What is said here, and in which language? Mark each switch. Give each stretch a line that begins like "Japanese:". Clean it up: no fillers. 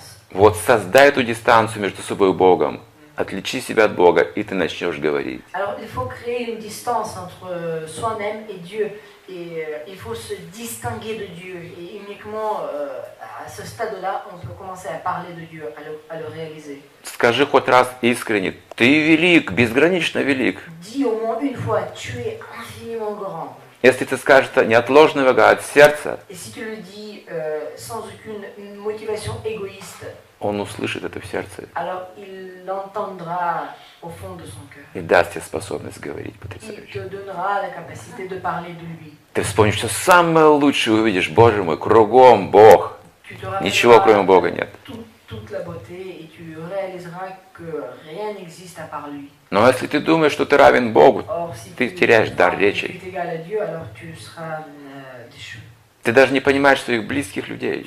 Russian: Вот создай эту дистанцию между собой и Богом. Отличи себя от Бога, и ты начнешь говорить.
French: Alors, il faut créer une distance entre soi-même et Dieu. Et il faut se distinguer de Dieu. Et uniquement à ce stade-là, on peut commencer à parler de Dieu, à le réaliser.
Russian: Скажи хоть раз искренне, ты велик, безгранично велик.
French: Dis au moins une fois, tu es infiniment grand.
Russian: Если ты скажешь это неотложного от сердца,
French: et si tu le dis sans aucune motivation égoïste,
Russian: он услышит это в сердце.
French: Alors, il l'entendra au fond de son cœur.
Russian: И даст тебе способность говорить потрясающе.
French: Il te donnera la capacité de parler de lui.
Russian: Ты вспомнишь, что самое лучшее увидишь, Боже мой, кругом Бог. Ничего, кроме Бога, нет.
French: Toute la beauté, et tu réaliseras que rien n'existe à part lui.
Russian: Но если ты думаешь, что ты равен Богу, ты теряешь дар речи.
French: Si tu es égal à Dieu, alors tu seras déchu.
Russian: Ты даже не понимаешь своих близких людей.